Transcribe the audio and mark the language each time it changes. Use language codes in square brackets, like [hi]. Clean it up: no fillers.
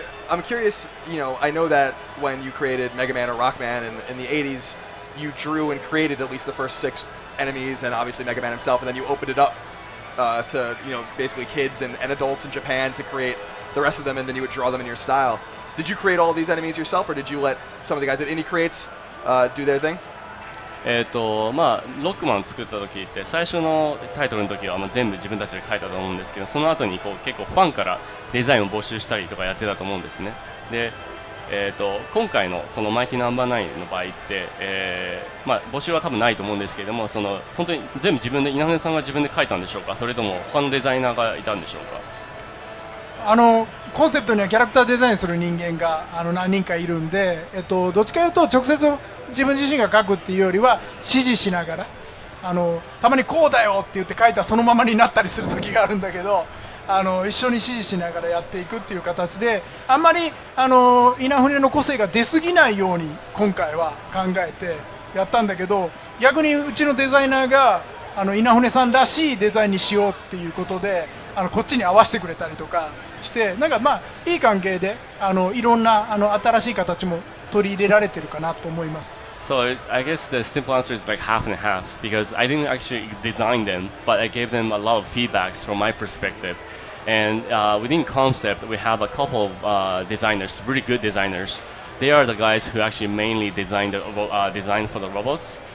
[en] I'm curious, you know, I know that when you created Mega Man or Rockman in the 80s, you drew and created at least the first six enemies and obviously Mega Man himself, and then you opened it up to, you know, basically kids and adults in Japan to create the rest of them, and then you would draw them in your style. Did you create all these enemies yourself, or did you let some of the guys at IndieCreates do their thing? [ja] まあ、ロックマン作った時って最初のタイトルの時は、まあ、全部自分たちで書いたと思うんですけど、その後にこう結構ファンからデザインを募集したりとかやってたと思うんですね。で、今回のこのマイティナンバーナインの場合って、まあ、募集は多分ないと思うんですけども、その本当に全部自分で稲船さんが自分で書いたんでしょうか、それとも他のデザイナーがいたんでしょうか。コンセプトにはキャラクターデザインする人間が何人かいるんで、どっちかいうと直接自分自身が書くっていうよりは指示しながら、たまにこうだよって言って書いたそのままになったりする時があるんだけど、一緒に指示しながらやっていくっていう形で、あんまり稲船の個性が出すぎないように今回は考えてやったんだけど、逆にうちのデザイナーが稲船さんらしいデザインにしようっていうことで、こっちに合わせてくれたりとかして、なんかまあいい関係でいろんな新しい形も取り入れられてるかなと思います。 [en] So I guess the simple answer is like half and half, because I didn't actually design them, but I gave them a lot of feedbacks from my perspective. And within concept, we have a couple of designers, really good designers. They are the guys who actually mainly designed the design for the robots.